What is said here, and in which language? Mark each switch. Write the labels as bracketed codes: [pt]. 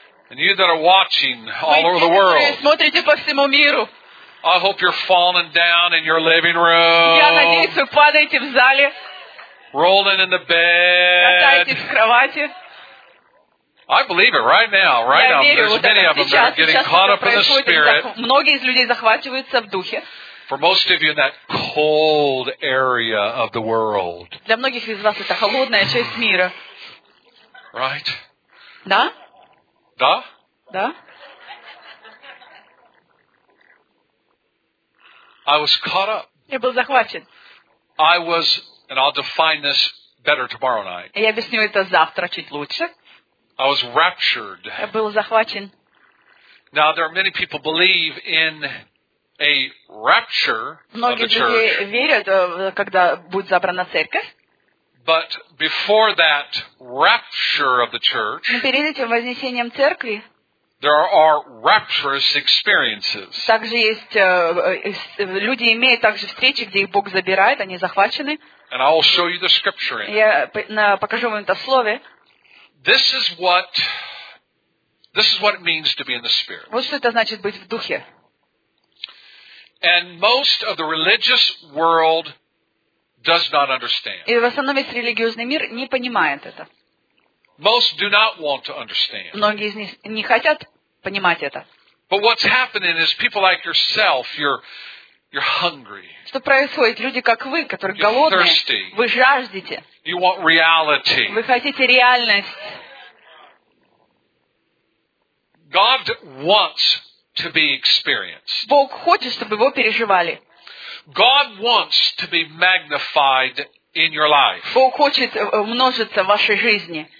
[en] And you that are watching all over the world. [ru] Смотрите по всему миру. [en] I hope you're falling down in your living room. [ru] Я надеюсь, вы падаете в зале. [en] Rolling in the bed. [ru] Катаетесь в кровати. [en] I believe it right now, right now. There's many of them that are getting caught up in the spirit. [ru] Многие из людей захватываются в духе. [en] For most of you in that cold area of the world. [ru] Для многих из вас это холодная часть мира. [en] Right? [ru] Да? Да? Да? [en] I was caught up. [ru] Я был захвачен. [en] I was, and I'll define this better tomorrow night. [ru] Я объясню это завтра чуть лучше. [en] I was raptured. [ru] Я был захвачен. [en] Now there are many people believe in a rapture of the church. [ru] Многие верят, когда будет забрана церковь. [en] But before that rapture of the church, [ru] перед этим вознесением церкви, [en] there are rapturous experiences. [ru] Также есть люди имеют также встречи, где их Бог забирает, они захвачены. [en] And I'll show you the scripture. [ru] Я покажу вам это слово. [en] This is what it means to be in the spirit. [ru] Вот что это значит быть в духе. [en] And most of the religious world does not understand. [ru] И в основном весь религиозный мир не понимает это. [en] Most do not want to understand. [ru] Многие из них не хотят понимать это. [en] But what's happening is people like yourself, you're hungry. [ru] Что происходит? Люди как вы, которые голодные, вы жаждете. [en] You want reality. [ru] Вы хотите реальность. [en] God wants to be experienced. [ru] Бог хочет, чтобы его переживали. [en] God wants to be magnified in your life. [ru] Бог хочет умножиться в вашей жизни.